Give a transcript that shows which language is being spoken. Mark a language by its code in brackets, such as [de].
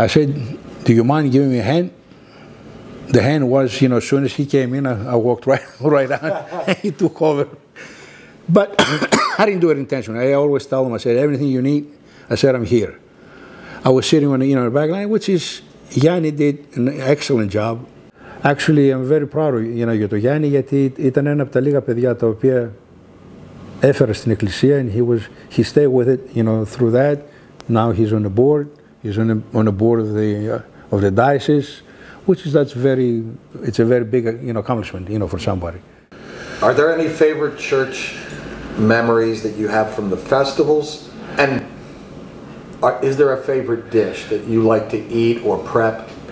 [en] I said, do you mind giving me a hand? The hand was, as soon as he came in, I walked right out, and he took over. But I didn't do it intentionally. I always tell him, I said, everything you need, I said, I'm here. I was sitting on the back line, which is, Yanni did an excellent job. Actually, I'm very proud of [el] για το Γιάννη, γιατί ήταν ένα από τα λίγα παιδιά τα οποία έφερα στην εκκλησία, [en] and he stayed with it, through that. Now he's on the board. He's on the board of the diocese, it's a very big accomplishment, for somebody. Are there any favorite church memories that you have from the festivals? And is there a favorite dish that you like to eat or prep?